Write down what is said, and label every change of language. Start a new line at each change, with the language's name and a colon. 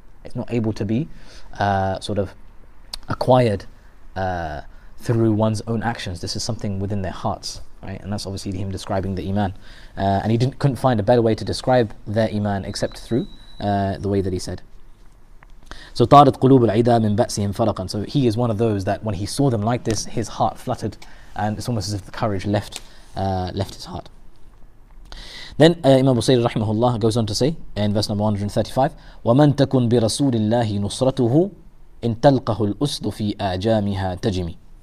English: It's not able to be sort of acquired through one's own actions. This is something within their hearts, right? And that's obviously him describing the iman. And he couldn't find a better way to describe their iman except through the way that he said.
Arabic: So طارت قلوب العدا من بأسهم فرقا.
English: So he is one of those that when he saw them like this, his heart fluttered, and it's almost as if the courage left his heart. Then Imam Busayr rahimahullah goes on to say in verse number 135,
Arabic: وَمَنْ تَكُنْ بِرَسُولِ اللَّهِ نُصْرَتُهُ إِنْ تَلْقَهُ الْأُسْدُ فِي أَعْجَامِهَا تَجِمِ.